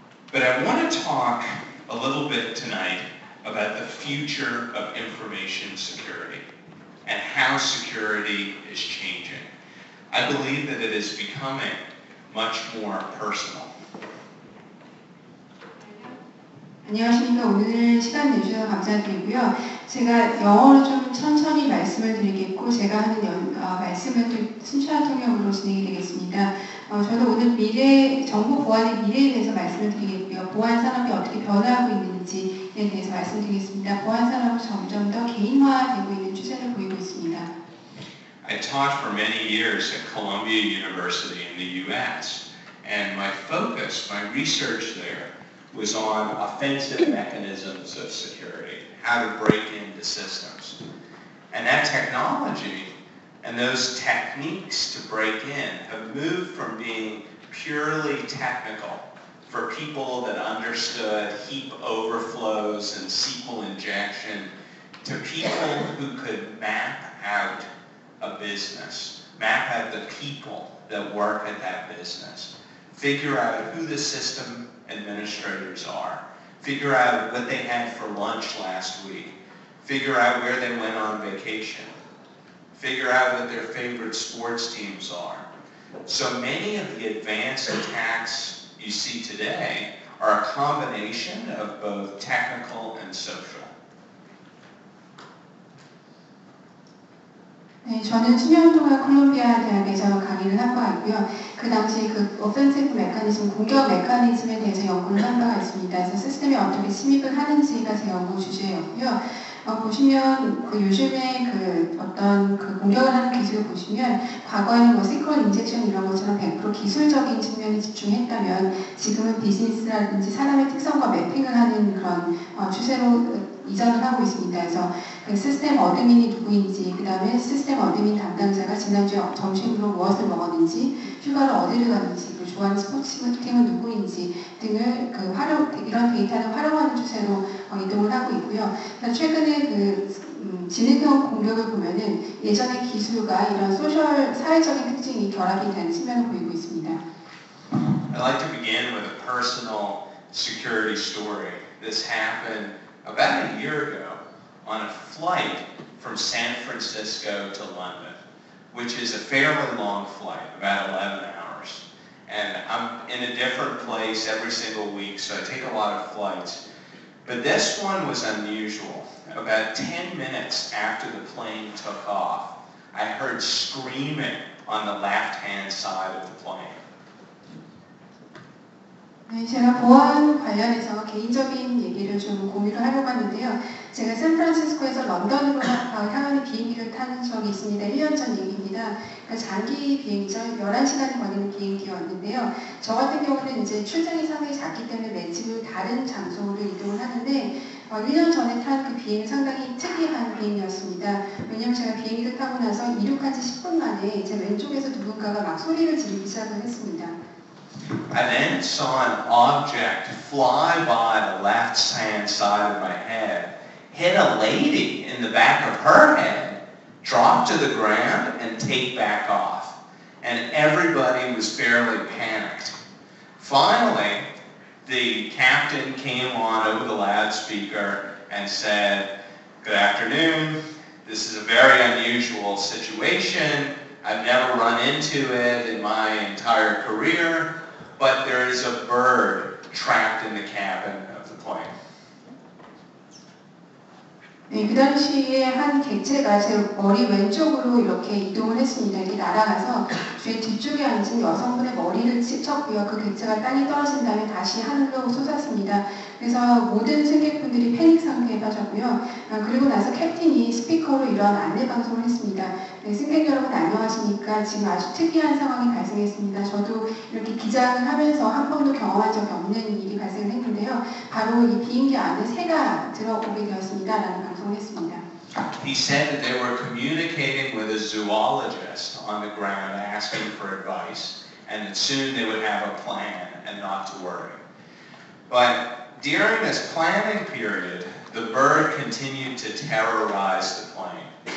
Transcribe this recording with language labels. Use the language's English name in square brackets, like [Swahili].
[English] But I want to talk a little bit tonight about the future of information security and how security is changing. I believe that it is becoming much more personal. [Korean] 안녕하십니까. 오늘 시간 내주셔서 감사드리고요. 제가 영어로 좀 천천히 말씀을 드리겠고 제가 하는 말씀은 좀 순차 통역으로 진행이 되겠습니다. 저는 오늘 미래 정보 보안의 미래에 대해서 말씀을 드리겠고요. 보안 산업이 어떻게 변화하고 있는지에 대해서 말씀드리겠습니다. 보안 산업은 점점 더 개인화되고 있는 추세를 보이고 있습니다. [English] I taught for many years at Columbia University in the U.S. and my focus, my research there was on offensive mechanisms of security, how to break into systems. And that technology and those techniques to break in have moved from being purely technical for people that understood heap overflows and SQL injection to people who could map out a business, map out the people that work at that business, figure out who the system administrators are, figure out what they had for lunch last week, figure out where they went on vacation, figure out what their favorite sports teams are. So many of the advanced attacks you see today are a combination of both technical and social. [Korean] 네, 저는 10년 동안 콜롬비아 대학에서 강의를 한 바가 있고요. 그 당시 그 [English] offensive mechanism, [Korean] 공격 메커니즘에 대해서 연구를 한 바가 있습니다. 그래서 시스템에 어떻게 침입을 하는지가 제 연구 주제였고요. 보시면 그 요즘에 그 어떤 그 공격을 하는 기술을 보시면 과거에는 뭐 SQL 인젝션 이런 것처럼 100% 기술적인 측면에 집중했다면 지금은 비즈니스라든지 사람의 특성과 매핑을 하는 그런 추세로 이전을 하고 있습니다. 그래서 그 시스템 어드민이 누구인지, 그 다음에 시스템 어드민 담당자가 지난주에 점심으로 무엇을 먹었는지, 휴가를 어디를 갔는지, 그 좋아하는 스포츠 팀은 누구인지 등을 그 이런 데이터를 활용하는 추세로 이동을 하고 있고요. 최근에 그 지능형 공격을 보면은 예전의 기술과 이런 소셜 사회적인 특징이 결합이 된 측면을 보이고 있습니다. [English] I'd like to begin with a personal security story. This happened about a year ago on a flight from San Francisco to London, which is a fairly long flight, about 11 hours. And I'm in a different place every single week, so I take a lot of flights. But this one was unusual. About 10 minutes after the plane took off, I heard screaming on the left-hand side of the plane. [Korean] 제가 보안 관련해서 개인적인 얘기를 좀 공유를 하려고 하는데요. 제가 샌프란시스코에서 런던으로 향하는 비행기를 탄 적이 있습니다. 1년 전 얘기입니다. 그러니까 장기 비행전 11시간이 걸리는 비행기였는데요. 저 같은 경우는 이제 출장이 상당히 작기 때문에 매직을 다른 장소로 이동을 하는데 1년 전에 탄 그 비행은 상당히 특이한 비행이었습니다. 왜냐하면 제가 비행기를 타고 나서 이륙한 지 10분 만에 제 왼쪽에서 누군가가 막 소리를 지르기 시작을 했습니다. [English] I then saw an object fly by the left-hand side of my head, hit a lady in the back of her head, drop to the ground, and take back off. And everybody was fairly panicked. Finally, the captain came on over the loudspeaker and said, "Good afternoon. This is a very unusual situation. I've never run into it in my entire career. But there is a bird trapped in the cabin of the plane." [Korean] 네, 그 당시에 한 객체가 제 머리 왼쪽으로 이렇게 이동을 했습니다. 이렇게 날아가서 제 뒤쪽에 앉은 여성분의 머리를 치쳤고요. 그 객체가 땅에 떨어진 다음에 다시 하늘로 솟았습니다. 그래서 모든 승객분들이 패닉 상태에 빠졌고요. 그리고 나서 캡틴이 스피커로 이런 안내 방송을 했습니다. 승객 학생 여러분 안녕하십니까? 지금 아주 특이한 상황이 발생했습니다. 저도 이렇게 기장을 하면서 한 번도 경험한 적 없는 일이 발생했는데요. 바로 이 비행기 안에 새가 들어오게 되었습니다. 라는 방송을 했습니다. [English] He said that they were communicating with a zoologist on the ground asking for advice and that soon they would have a plan and not to worry. But during this planning period, the bird continued to terrorize the plane.